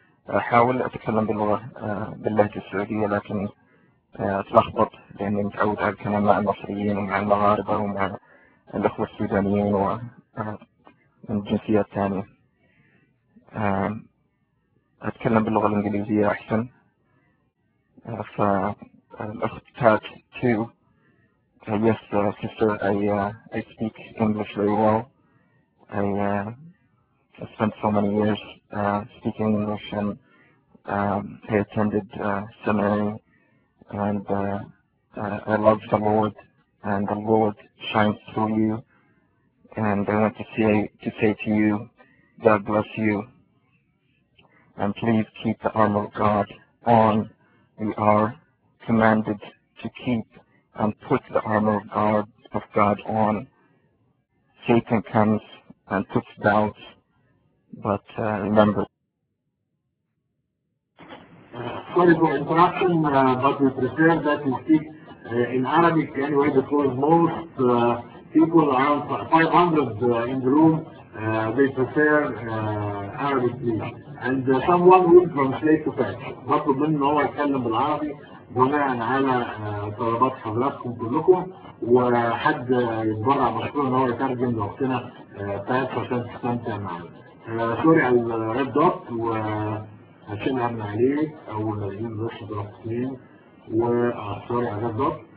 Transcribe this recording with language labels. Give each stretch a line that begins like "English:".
Arabic: أحاول أتكلم باللغة باللهجة السعودية لكن أتلخبط لأني متعود على الكلام مع المصريين ومع المغاربة ومع الأخوة السودانيين ومن جنسيات ثانية. أتكلم باللغة الإنجليزية أحسن. فالأخت
English: That to yes sister I speak English very well. I spent so many years speaking English, and I attended seminary, and I love the Lord, and the Lord shines through you, and I want to say to you, God bless you, and please keep the armor of God on. We are commanded to keep and put the armor of God on. Satan comes and puts doubts, but remember. Sorry for interruption, but we prefer that you speak in Arabic anyway, because most people, around 500 in the room, they prefer Arabic speech. And someone will translate to French.
Arabic: بطلب منه ان هو يتكلم بالعربي بناء على طلبات حضراتكم كلكم، وحد يتبرع مشكور ان هو يترجم لوقتنا بس عشان تستمتع معانا. سوري على الريد دوت وهشيلها من عليك اول ما يجي نرش ضربتين وسوري على الريد دوت.